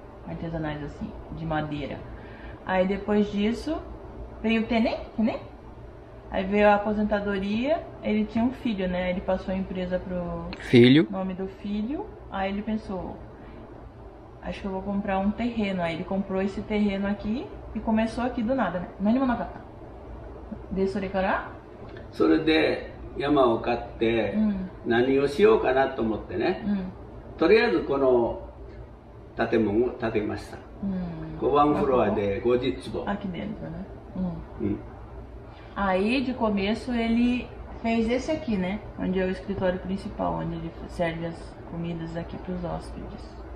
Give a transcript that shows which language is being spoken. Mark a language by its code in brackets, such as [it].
[pt] Artesanais assim, de madeira. Aí depois disso, veio o Tenê, né? Aí veio a aposentadoria, ele tinha um filho, né? Ele passou a empresa pro filho. Nome do filho. Aí ele pensou, acho que eu vou comprar um terreno. Aí ele comprou esse terreno aqui e começou aqui do nada, né? Mas ele não vai ficar. Desce o [ja] 山を買って何をしようかなと思ってね。とりあえずこの建物を建てました。5番フロアで50坪。あ、綺麗だね。うん。うん。 [pt] Aí de começo ele fez esse aqui, né? Onde é o escritório principal, onde ele serve as comidas aqui para os hóspedes.